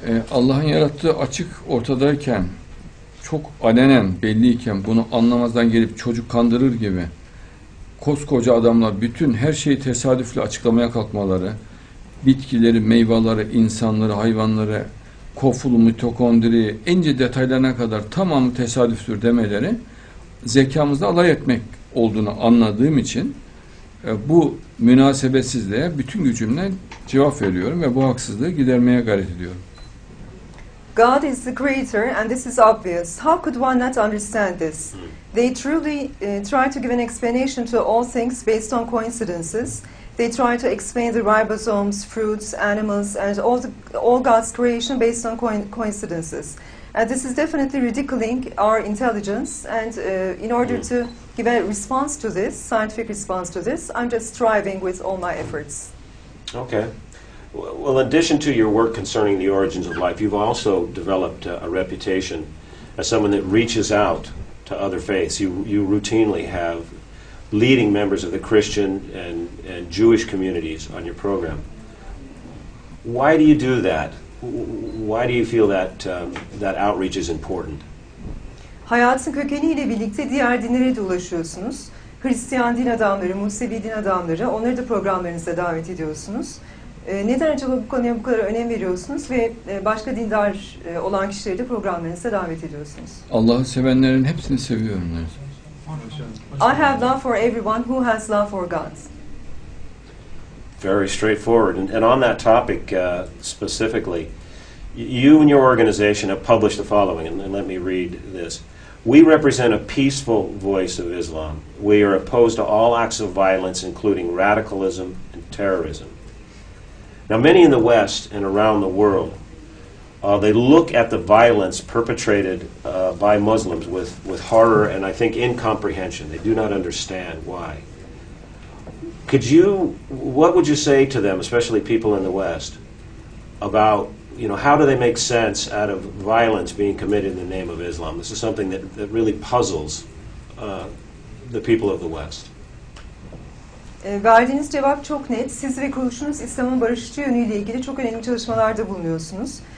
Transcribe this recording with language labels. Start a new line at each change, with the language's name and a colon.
Turkish: Allah'ın yarattığı açık ortadayken, çok alenen, belliyken, bunu anlamazdan gelip çocuk kandırır gibi koskoca adamlar bütün her şeyi tesadüfle açıklamaya kalkmaları, bitkileri, meyveleri, insanları, hayvanları, kofulu, mitokondri, ince detaylarına kadar tamamı tesadüftür demeleri zekamızda alay etmek olduğunu anladığım için bu münasebetsizliğe bütün gücümle cevap veriyorum ve bu haksızlığı gidermeye gayret ediyorum.
English: God is the creator and this is obvious. How could one not understand this? They truly try to give an explanation to all things based on coincidences. They try to explain the ribosomes, fruits, animals, and all God's creation based on coincidences. And this is definitely ridiculing our intelligence. And in order to give a response to this, scientific response to this, I'm just striving with all my efforts. Okay. Well, in addition to your work concerning the origins of life, you've also developed a reputation as someone that reaches out to other faiths. You routinely have leading members of the Christian and Jewish communities on your program. Why do you do that? Why do you feel that that outreach is important? Hayatın kökeniyle birlikte diğer dinlere de ulaşıyorsunuz. Hristiyan din adamları, Musevi din adamları, onları da programlarınıza davet ediyorsunuz. Neden acaba bu konuya bu kadar önem veriyorsunuz ve başka dindar olan kişileri de programlarınıza davet ediyorsunuz? Allah'ı sevenlerin hepsini seviyorum. I have love for everyone who has love for God. Very straightforward. And on that topic specifically, you and your organization have published the following, and let me read this. We represent a peaceful voice of Islam. We are opposed to all acts of violence, including radicalism and terrorism. Now, many in the West and around the world, they look at the violence perpetrated by Muslims with horror and, I think, incomprehension. They do not understand why. What would you say to them, especially people in the West, about you know, how do they make sense out of violence being committed in the name of Islam? This is something that, that really puzzles the people of the West.
Turkish: Verdiğiniz cevap çok net. Siz ve kuruluşunuz İslam'ın barışçı yönüyle ilgili çok önemli çalışmalarda bulunuyorsunuz.